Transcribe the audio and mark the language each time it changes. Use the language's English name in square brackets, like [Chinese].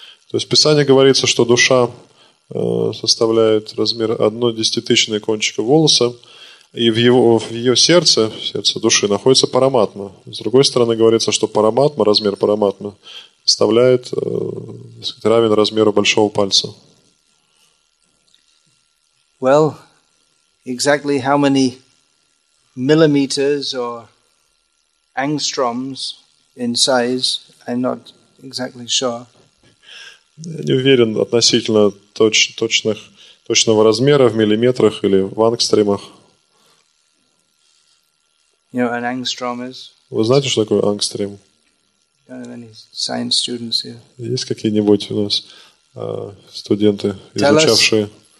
[Russian] То есть в Писании говорится, что душа составляет размер 1/10 кончика волоса, и в ее сердце, в сердце души, находится параматма. С другой стороны, говорится, что параматма, размер параматмы, составляет равен размеру большого пальца. [English] Well, exactly how many millimeters or angstroms in size, I'm not exactly sure. [Russian] Я не уверен относительно точного размера в миллиметрах или в ангстримах. [English] You know, an angstrom is? [Russian] Вы знаете, что такое ангстрим? [English] Don't have any science students here. [Russian] Есть какие-нибудь у нас студенты, изучавшие?